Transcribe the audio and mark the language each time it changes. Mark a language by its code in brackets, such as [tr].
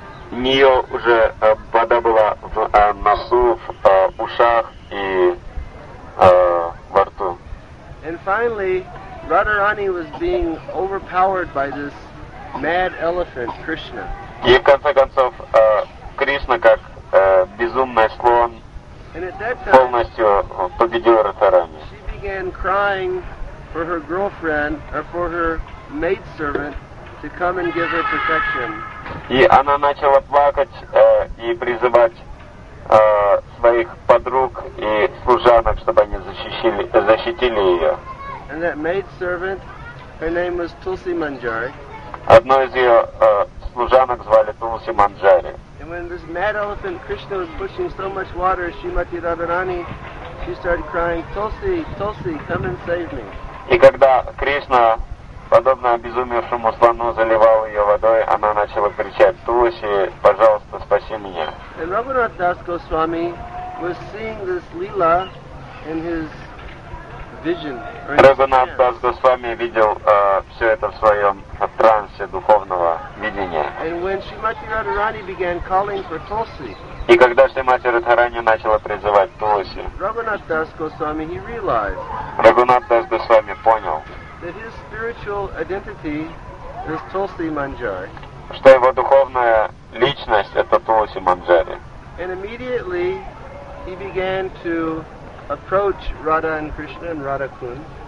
[ru] У нее уже вода была в носу, в ушах и во рту. [en] And finally, Radharani was being overpowered by this mad elephant, Krishna. [ru] И в конце концов, Кришна, как безумный слон, полностью победил Радхарани. [en] She began crying for her girlfriend, or for her maidservant, to come and give her protection. [ru] И она начала плакать и призывать своих подруг и служанок, чтобы они защитили ее. [en] And that maid servant, her name was Tulsi Manjari. [ru] Одну из ее служанок звали Тулси Манджари. [en] And when this mad elephant Krishna was pushing so much water, Shrimati Radharani, she started crying, Tulsi, Tulsi, come and save me. [ru] И когда Кришна, подобно обезумевшему слону, заливал ее водой, она начала кричать, Тулси, пожалуйста, спаси меня. [en] And Raghunath Das Goswami was seeing this lila in his vision. [ru] Raghunath Das Goswami видел все это в своем трансе духовного видения. [en] And when Shrimati Radharani began calling for Tulsi, [ru] и когда Шримати Радхарани начала призывать Тулси, [en] Raghunath Das Goswami, he realized, [ru] Raghunath Das Goswami понял, [en] that his spiritual identity is Tulsi Manjari, [ru] что его духовная личность — это Тулси Манджари. [en] And immediately he began to approach Radha and Krishna and Radha Kund.